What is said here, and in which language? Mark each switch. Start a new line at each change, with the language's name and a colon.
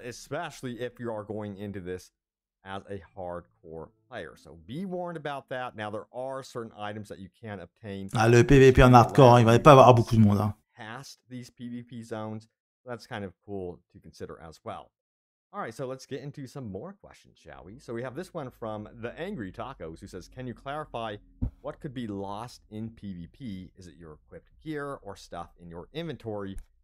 English: Especially if you are going into this as a hardcore player. So be warned about that. Now there are certain items that you can obtain.
French: Ah, le PvP en hardcore, il va pas avoir beaucoup de monde.
English: Past these PvP zones, that's kind of cool to consider as well. All right, so let's get into some more questions, shall we? So we have this one from The Angry Tacos, who says, can you clarify what could be lost in PvP? Is it your equipped gear or stuff in your inventory?